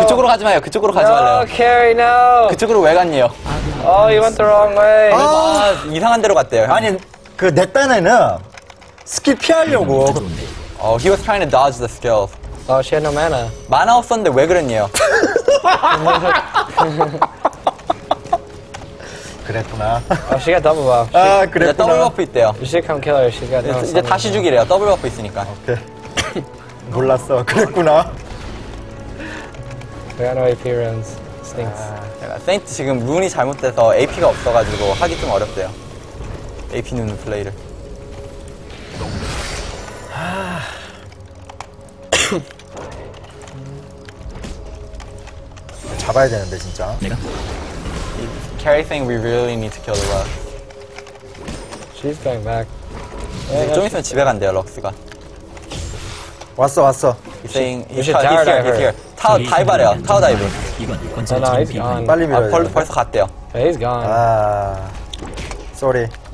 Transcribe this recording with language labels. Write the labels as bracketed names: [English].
[Korean] 그쪽으로 가지 마요, 그쪽으로 가지 [English] no, [Korean] 말래요. [English] No, carry, no. [Korean] 그쪽으로 왜 갔니요? [English] Oh, you went the wrong way. [Korean] 아, 아 이상한 데로 갔대요. 형. 아니, 그 내 딴에는 스킬 피하려고. [English] Oh, he was trying to dodge the skills. Oh, she had no mana. [Korean] 마나 없었는데 왜 그랬니요? 그랬구나. [English] Oh, she got double buff. [Korean] 아, 그랬구나. 이제 더블 버프 있대요. [English] You should come kill her, she got [Korean] no 이제 다시 죽이래요, 더블 버프 있으니까. Okay. 몰랐어. 그랬구나. [English] We got no AP runes. Stinks. [Korean] 아, 세인트 지금 룬이 잘못돼서 AP가 없어가지고 하기 좀 어렵대요. AP 누는 플레이를. 잡아야 되는데 진짜. 내가? [English] Carry thing we really need to kill the boss. She's going back. [Korean] 좀 있으면 집에 간대요, 럭스가. 왔어 왔어. [English] He's saying he's here. [Korean] 타워 다이브래요. 타워 다이브. 이건 건설적인 비판. 빨리 밀어. 벌 벌써 갔대요. [English] He's gone. 아, sorry.